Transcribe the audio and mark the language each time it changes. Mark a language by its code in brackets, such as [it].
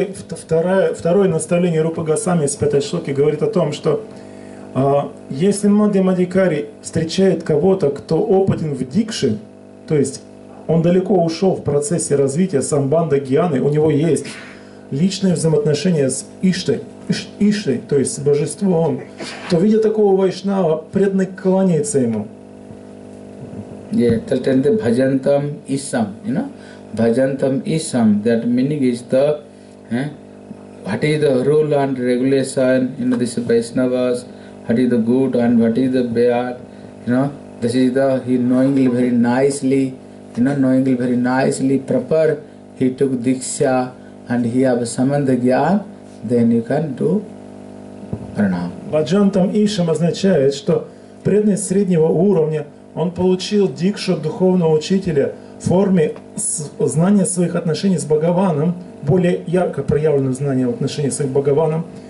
[ru] Второе наставление Рупа Госвами из пятой шлоки говорит о том, что если Мадхьяма Дикари встречает кого-то, кто опытен в дикше, то есть он далеко ушел в процессе развития самбандха гьяны, у него есть личное взаимоотношение с Иштой, то есть с Божеством, то, видя такого вайшнава, преданный кланяется ему. [en] Yeah, then the bhajantam isam, you know? Bhajantam isam, that meaning is the, what is the rule and regulation, you know, this is Vaishnavas, what is the good and what is the bad, you know, this is the, he knowingly, very nicely, you know, knowingly very nicely, proper, he took diksha and he have samandha jnana, then you can do pranam. [ru] Bhajantam isham означает, что преданный среднего уровня, он получил дикшу духовного учителя в форме знания своих отношений с Бхагаваном, более ярко проявленным знанием отношений с Бхагаваном.